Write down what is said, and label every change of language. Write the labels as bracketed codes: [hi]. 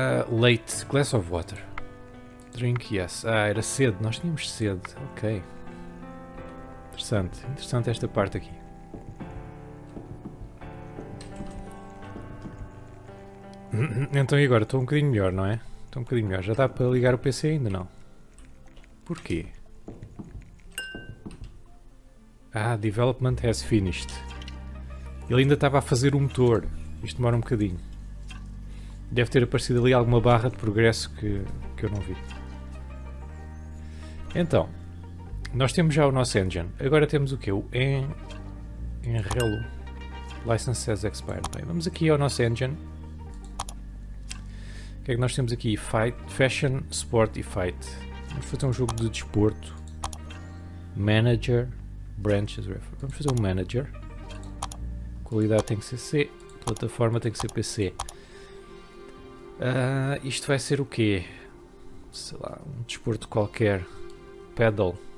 [en] Late, glass of water. Drink, yes. [pt] Ah, era sede, nós tínhamos sede. Ok. Interessante, interessante esta parte aqui. Então e agora? Estou um bocadinho melhor, não é? Estou um bocadinho melhor. Já dá para ligar o PC ainda, não? Porquê? [en] Ah, development has finished. [pt] Ele ainda estava a fazer o motor. Isto demora um bocadinho. Deve ter aparecido ali alguma barra de progresso que eu não vi. Então, nós temos já o nosso engine. Agora temos o quê? O Enrelo. [en] License says expired. [pt] Bem, vamos aqui ao nosso engine. O que é que nós temos aqui? Fight, Fashion, Sport e Fight. Vamos fazer um jogo de desporto. Manager, Branches, Refer. Vamos fazer um Manager. Qualidade tem que ser C. Plataforma tem que ser PC. Isto vai ser o quê? Sei lá, um desporto qualquer. Paddle.